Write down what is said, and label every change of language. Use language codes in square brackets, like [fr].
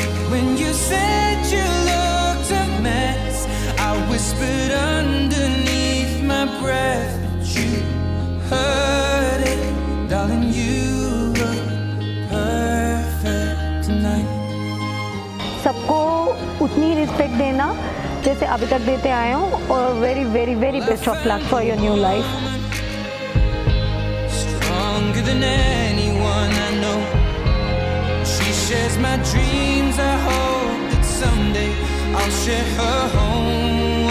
[en] When you said you looked a mess, I whispered underneath my breath, but you heard it, darling, you look perfect tonight. [hi] सबको उतनी respect देना जैसे अभी तक देते आए हूँ, और [en] Very very very best of luck for your new life. Stronger than anyone I know. Shares my dreams, I hope that someday I'll share her home.